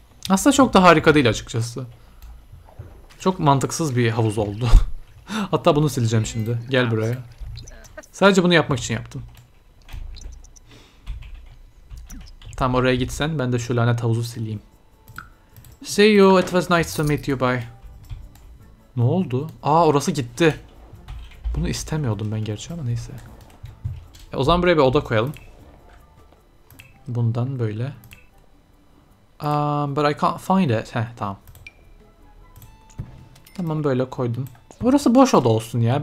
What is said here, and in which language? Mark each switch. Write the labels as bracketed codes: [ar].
[tr] Aslında çok da harika değil açıkçası. Çok mantıksız bir havuz oldu. Hatta bunu sileceğim şimdi. Gel buraya. Sadece bunu yapmak için yaptım. Tam oraya gitsen, ben de şu lanet havuzu sileyim. [en] See you, it was nice to meet you, bye. [tr] Ne oldu? Aa, orası gitti. Bunu istemiyordum ben gerçi ama neyse. O zaman buraya bir oda koyalım. Bundan böyle. [en] But I can't find it. Heh, [tr] tamam. Tamam, böyle koydum. Orası boş oda olsun ya.